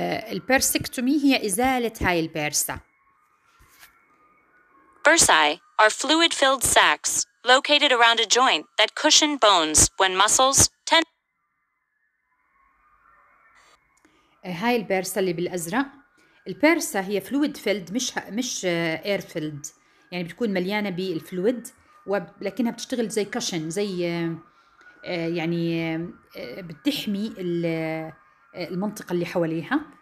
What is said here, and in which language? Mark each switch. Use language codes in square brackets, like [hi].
[ar] البيرسكتومي هي إزالة هاي البيرسا. [en] Bursae are fluid-filled sacs located around a joint that cushion bones when muscles tend. [ar] هاي البيرسا اللي بالأزرق. البيرسا هي fluid-filled مش air-filled، يعني بتكون مليانة بالفلويد ولكنها بتشتغل زي كشن، زي يعني بتحمي المنطقة اللي حواليها.